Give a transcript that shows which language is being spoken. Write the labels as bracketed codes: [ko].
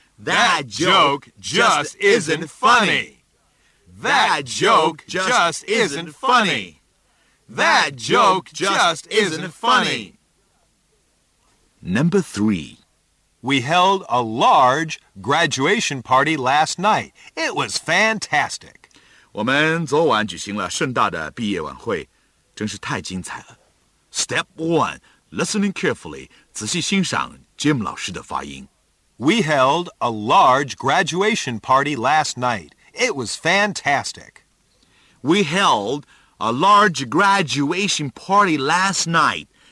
[en] That joke just isn't funny. That joke just isn't funny. That joke just isn't funny. Number three. We held a large graduation party last night. It was fantastic. [zh] 我们昨晚举行了盛大的毕业晚会。真是太精彩了。 [en] Step one, listening carefully, [zh] 仔细欣赏 Jim 老师的发音。 [en] We held a large graduation party last night. It was fantastic. We held a large graduation party last night.